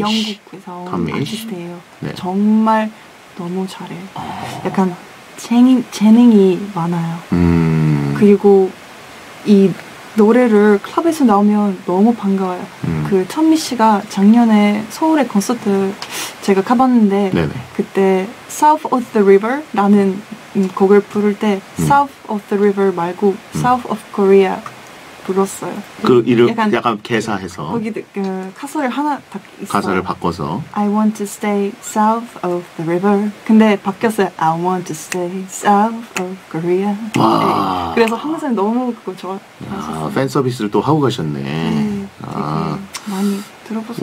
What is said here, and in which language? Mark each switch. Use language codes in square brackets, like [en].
[ko] 영국에서 아티스트예요. 네. 정말 너무 잘해요. 약간 재능이 많아요. 그리고 이 노래를 클럽에서 나오면 너무 반가워요. 그 천미 씨가 작년에 서울에 콘서트 제가 가봤는데 네네. 그때 South of the River 라는 곡을 부를 때 South of the River 말고 South of Korea 불렀어요. 그 이름 약간 개사해서 거기 그 가사를 하나 딱 있어요. 가사를 바꿔서 [en] I want to stay south of the river [ko] 근데 바뀌었어요. [en] I want to stay south of Korea [ko] 와 네. 그래서 항상 너무 그거 좋아 팬 서비스를 또 하고 가셨네. 네, 되게 많이 들어보셨어요.